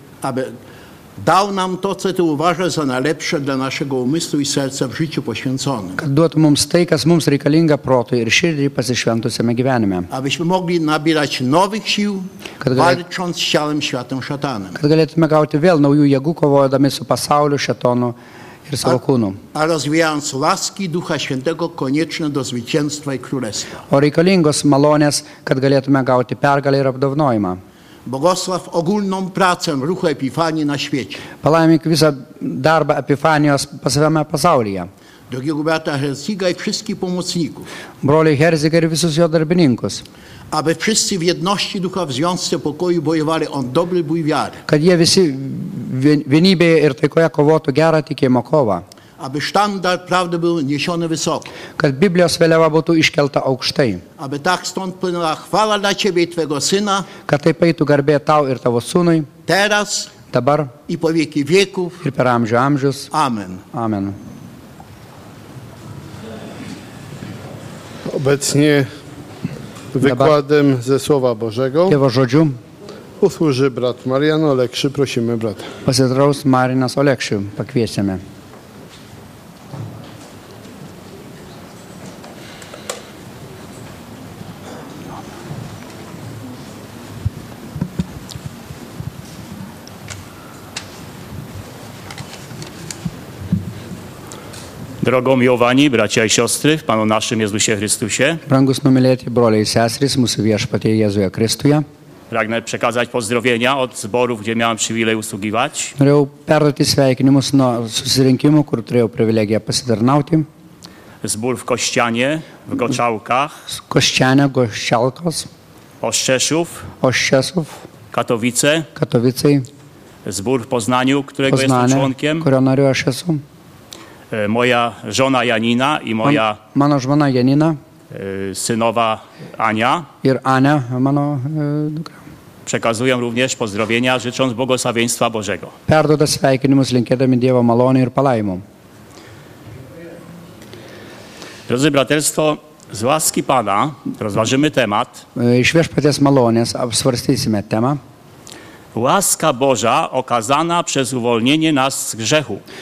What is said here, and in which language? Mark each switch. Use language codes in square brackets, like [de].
[pl] Aby dał nam to, co ty uważasz za najlepsze dla naszego umysłu i serca w życiu poświęconym. [lt] Kad duotų mums tai, kas mums reikalinga protui ir širdį pasišventusiame gyvenime. [pl] Abyśmy mogli nabierać nowych sił, walcząc z ciałem światem szatanem. [lt] Kad galėtume gauti vėl naujų jėgų, kovojodami su pasauliu, šetonu ir savo kūnu. [pl] A rozwijając laski Ducha Świętego konieczne do zwycięstwa i królestwa. [lt] O reikalingos malonės, kad galėtume gauti pergalę ir apdovanojimą. [pl] Bogosław ogólną pracę ruchu Epifanii na świecie. [lt] Palaimink visą darbą Epifanijos pasavame pasaulyje. [pl] Drugiego brata Herziga i wszystkich pomocników. [lt] Broli Herziga ir visus jo darbininkus. [pl] Aby wszyscy w jedności ducha w związce pokoju bojowali on dobry bój wiary. [lt] Kad jie visi vienybėje ir taikoje kovotų gerą tikėjimo kovą. [pl] Aby sztandar prawdy był niesiony wysoko. [lt] Kad Biblijos vėliava būtų iškelta aukštai. [pl] Aby tak stąd płynęła chwała dla Ciebie i Twojego Syna. [lt] Kad taip eitų garbė tau ir tavo sūnui. [pl] Teraz. [lt] Dabar. [pl] I po wieki wieków. [lt] Ir per amžių amžius. [pl] Amen. [lt] Amen. [pl] Obecnie wykładem ze Słowa Bożego. [lt] Tėvo žodžiu. [pl] Usłuży brat Marian Olekszy. Prosimy brat. [lt] Pasitraus Marinas Olekšy. Pakviesime. [pl] Drogą miłowani, bracia i siostry, w Panu naszym Jezusie Chrystusie. [lt] Brangus numilėti, broliai sesris, mūsų viešpatie Jėzuje Kristuje. [pl] Pragnę przekazać pozdrowienia od zborów, gdzie miałem przywilej usługiwać. [lt] Norėjau perduoti sveikinimus nuo susirinkimų, kur turėjau privilegiją pasitarnauti. [pl] Zbór w Kościanie, w Goczałkach. [lt] Kościanie, Goczałkos. [pl] Oszczeszów. [lt] Oszczeszów. [pl] Katowice. [lt] Katowice. [pl] Zbór w Poznaniu, którego [lt] Poznanie, [pl] jestem członkiem. [lt] Kurio nariu aš esu. [pl] Moja żona Janina i moja [lt] mano żona Janina, [pl] synowa Ania. [lt] Ir Ania, mano dukra. [pl] Przekazuję również pozdrowienia, życząc błogosławieństwa Bożego. [lt] Perduodu sveikinimus, linkėdami Dievo malonę ir palaimą. [pl] Drodzy braterstwo, z łaski Pana rozważymy temat. [lt] Iš viešpaties malonės apsvarstysime temą. [pl] Łaska Boża okazana przez uwolnienie nas z grzechu.